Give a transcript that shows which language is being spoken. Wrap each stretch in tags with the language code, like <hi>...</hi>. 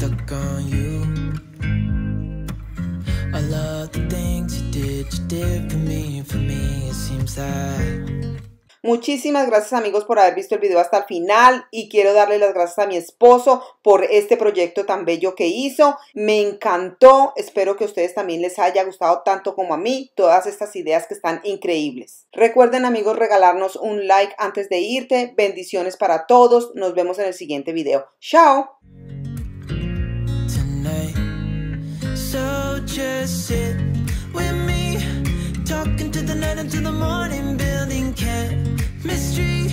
<en>On you, I love the things you did. You did for me, it seems like.</en> <es>Muchísimas gracias amigos por haber visto el video hasta el final y quiero darle las gracias a mi esposo por este proyecto tan bello que hizo. Me encantó, espero que a ustedes también les haya gustado tanto como a mí todas estas ideas que están increíbles. Recuerden amigos regalarnos un like antes de irte. Bendiciones para todos, nos vemos en el siguiente video. Chao.</es> <en>So just sit with me, talking to the night until the morning, building chemistry.</en>